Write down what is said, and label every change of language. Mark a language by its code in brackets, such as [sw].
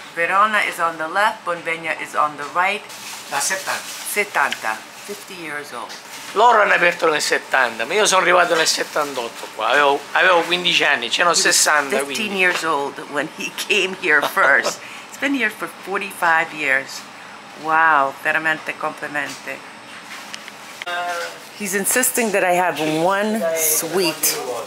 [en] Verona is on the left, Bonvegna is on the right. [it] Da 70. [en] 70. 50 years old. [it] Loro hanno aperto nel 70, ma io sono arrivato nel 78 qua. Avevo 15 anni, c'erano 60. 15 quindi. [en] Years old when he came here first. He's been here for 45 years. [it] Wow, veramente complimenti. [en] He's insisting that I have one sweet.